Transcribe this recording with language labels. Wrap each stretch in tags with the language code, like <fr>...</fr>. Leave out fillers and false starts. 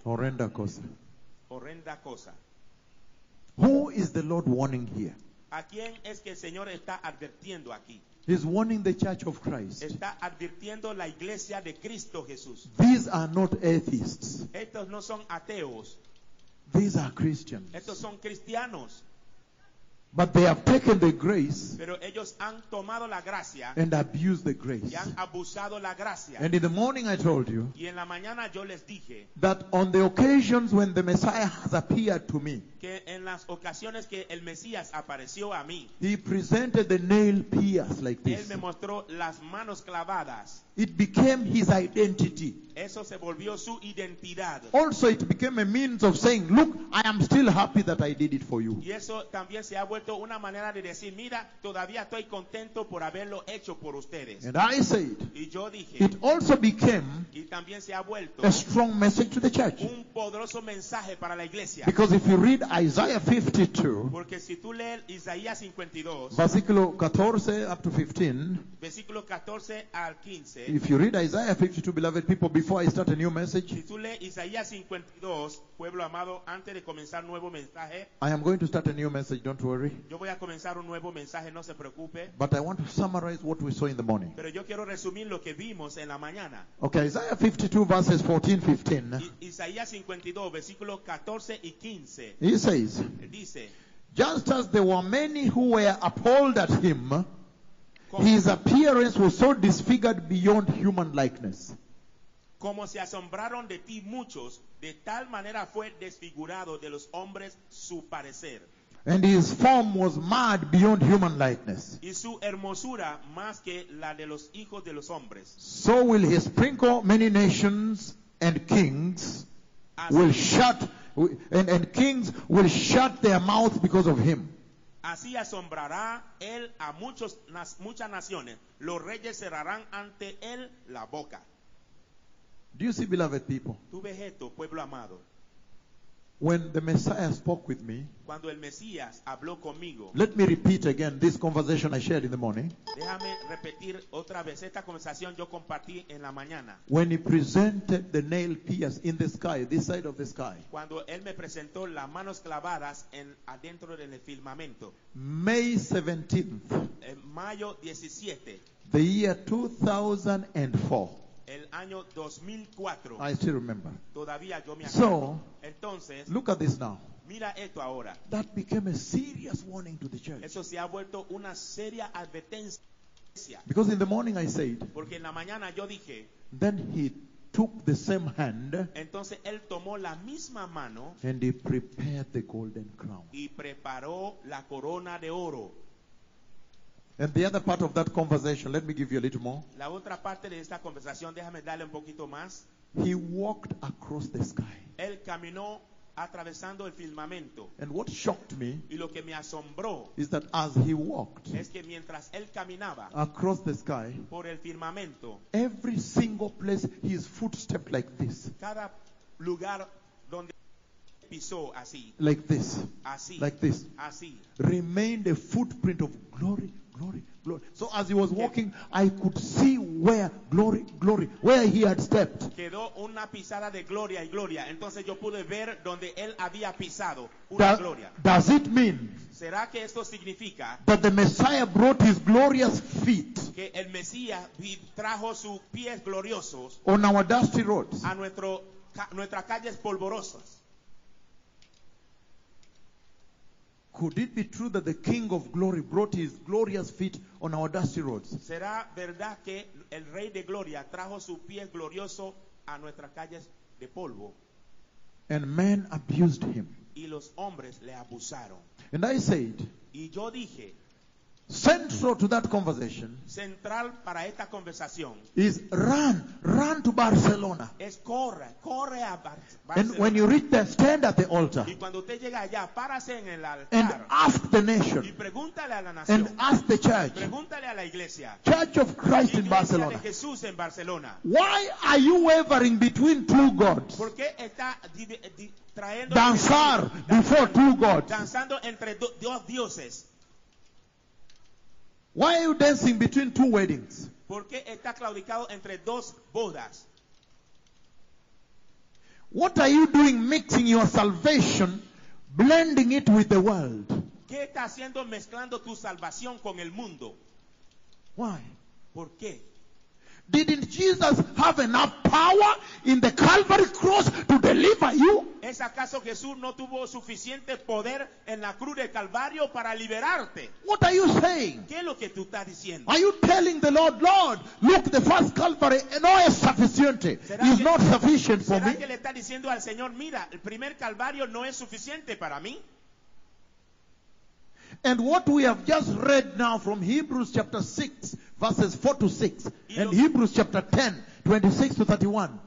<es>Horrenda cosa. Horrenda cosa.</es> <en>Who is the Lord warning here?</en> <es>¿A quién es que el Señor está advirtiendo aquí?</es> <en>He's warning the church of Christ.</en> <es>Está advirtiendo la iglesia de Cristo Jesús.</es> <en>These are not atheists.</en> <es>Estos no son ateos.</es> <en>These are Christians.</en> <es>Estos son cristianos.</es> <en>But they have taken the grace.</en> <es>Pero ellos han tomado la gracia.</es> <en>And abused the grace.</en> <es>Y han abusado la gracia.</es> <en>And in the morning I told you.</en> <es>Y en la mañana yo les dije.</es> <en>That on the occasions when the Messiah has appeared to me.</en> <es>Que en las ocasiones que el Mesías apareció a mí.</es> <en>He presented the nail pierced like this.</en> <es>Él me mostró las manos clavadas.</es> <en>It became his identity.</en> <es>Eso se volvió su identidad.</es> <en>Also, it became a means of saying, look, I am still happy that I did it for you.</en> <es>Y eso también se ha vuelto una manera de decir, mira, todavía estoy contento por haberlo hecho por ustedes.</es> <en>And I said,</en> <es>y yo dije,</es> <en>it also became,</en> <es>y también se ha vuelto,</es> <en>a strong message to the church.</en> <es>Un poderoso mensaje para la iglesia.</es> <en>Because if you read Isaiah 52,</en> <es>porque si tú lees Isaías 52,</es> <en>versículo 14 up to 15,</en> <es>versículo 14 al 15,</es> <en>if you read Isaiah 52, beloved people, before I start a new message,</en> <es>si tú lees Isaías 52, pueblo amado, antes de comenzar nuevo mensaje,</es> <en>I am going to start a new message, don't worry.</en> <es>Yo voy a comenzar un nuevo mensaje, no se preocupe.</es> <en>But I want to summarize what we saw in the morning.</en> <es>Pero yo quiero resumir lo que vimos en la mañana.</es> <en>Okay, Isaiah 52 verses 14, 15.</en> <es>Isaías 52, versículo 14 y 15.</es> <en>He says,</en> <es>dice,</es> <en>just as there were many who were appalled at him, his appearance was so disfigured beyond human likeness.</en> <es>Como se asombraron de ti muchos, de tal manera fue desfigurado de los hombres su parecer.</es> <en>And his form was marred beyond human likeness.</en> <es>Y su hermosura más que la de los hijos de los hombres.</es> <en>So will he sprinkle many nations and kings will shut and kings will shut their mouth because of him.</en> <es>Así asombrará él a muchas naciones. Los reyes cerrarán ante él la boca.</es> <en>Do you see, beloved people?</en> <es>¿Tú ves esto, pueblo amado?</es> <en>When the Messiah spoke with me,</en> <es>cuando el Mesías habló conmigo,</es> <en>let me repeat again this conversation I shared in the morning.</en> <es>Déjame repetir otra vez esta conversación yo compartí en la mañana.</es> <en>When he presented the nail pierce in the sky, this side of the sky,</en> <es>cuando él me presentó las manos clavadas en adentro del firmamento,</es> <en>May 17th,</en> <es>mayo 17,</es> <en>the year 2004.</en> <es>El año 2004.</es> <en>I still remember.</en> <es>Todavía yo me acuerdo.</es> <en>So,</en> <es>entonces,</es> <en>look at this now.</en> <es>Mira esto ahora.</es> <en>That became a serious warning to the church.</en> <es>Eso se ha vuelto una seria advertencia.</es> <en>Because in the morning I said,</en> <es>porque en la mañana yo dije,</es> <en>then he took the same hand,</en> <es>entonces él tomó la misma mano,</es> <en>and he prepared the golden crown.</en> <es>Y preparó la corona de oro.</es> <en>And the other part of that conversation, let me give you a little more.</en> <es>La otra parte de esta conversación, déjame darle un poquito más.</es> <en>He walked across the sky.</en> <es>Él caminó atravesando el firmamento.</es> <en>And what shocked me,</en> <es>y lo que me asombró,</es> <en>is that as he walked,</en> <es>es que mientras él caminaba</es> <en>across the sky,</en> <es>por el firmamento,</es> <en>every single place his footstep like this.</en> <es>Cada lugar donde pisó así.</es> <en>Like this.</en> <es>Así.</es> <en>Like this.</en> <es>Así.</es> <en>Remained a footprint of glory. Glory, glory. So as he was walking, I could see where glory, glory, where he had stepped.</en> <es>Quedó una pisada de gloria y gloria. Entonces yo pude ver donde él había pisado una gloria.</es> <en>Does it mean?</en> <es>¿Será que esto significa</es> <en>that the Messiah brought his glorious feet?</en> <es>Que el Mesías trajo sus pies gloriosos.</es> <en>On our dusty roads.</en> <es>A nuestras calles polvorosas.</es> <en>Could it be true that the King of Glory brought his glorious feet on our dusty roads?</en> <es>¿Será verdad que el Rey de Gloria trajo su pie glorioso a nuestras calles de polvo?</es> <en>And men abused him.</en> <es>Y los hombres le abusaron.</es> <en>And I said,</en> <es>y yo dije,</es> <en>central to that conversation,</en> <es>central para esta conversación,</es> <en>is run to Barcelona.</en> <es>Es corre a Barcelona.</es> <en>And when you reach there, stand at the altar.</en> <es>Y cuando usted llega allá, párase en el altar.</es> <en>And ask the nation.</en> <es>Y pregúntale a la nación.</es> <en>And ask the church.</en> <es>Pregúntale a la iglesia.</es> <en>Church of Christ</en> <es>iglesia</es> <en>in Barcelona.</en> <es>De Jesús en Barcelona.</es> <en>Why are you wavering between two gods?</en> <es>¿Por qué está trayendo danzar</es> <en>before two gods?</en> <es>Danzando entre dos dioses.</es> <en>Why are you dancing between two weddings?</en> <es>¿Por qué está claudicado entre dos bodas?</es> <en>What are you doing mixing your salvation, blending it with the world?</en> <es>¿Qué está haciendo mezclando tu salvación con el mundo?</es> <en>Why?</en> <es>¿Por qué?</es> <en>Didn't Jesus have enough power in the Calvary cross to deliver you?</en> <es>¿Es acaso Jesús no tuvo suficiente poder en la cruz de Calvario para liberarte?</es> <en>What are you saying?</en> <es>¿Qué es lo que tú estás diciendo?</es> <en>Are you telling the Lord, Lord, look, the first Calvary</en> <es>no es suficiente.</es> <en>It's not sufficient for me.</en> <es>¿Será que le está diciendo al Señor, mira, el primer Calvario no es suficiente para mí?</es> <en>And what we have just read now from Hebrews chapter 6, verses 4 to 6, and Hebrews chapter 10, 26 to 31.</en>